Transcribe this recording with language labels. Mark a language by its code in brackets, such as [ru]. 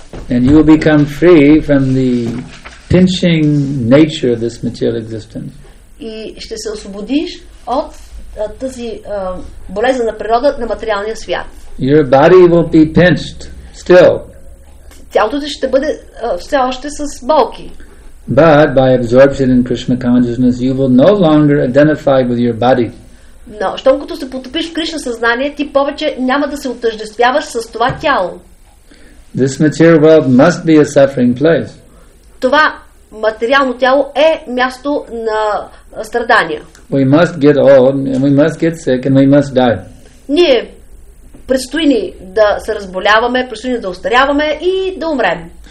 [en] And you will become free from the pinching nature of this material existence. [bg] И ще се освободиш от тази болезнена природа на материалния свят. [en] Your body will be pinched. Still. [bg] Тялото ти ще бъде все още с болки. [en] But by absorption in Krishna consciousness, you will no longer identify with your body. [bg] Но щом като се потопиш в Кришна съзнание, ти повече няма да се отъждествяваш с това тяло. [en] This material world must be a suffering place. [bg] Това материално тяло е място на страдания. [en] We must get old, and we must get sick, and we must die. [bg] Ние предстои ни да се разболяваме, предстои ни да остаряваме и да умрем.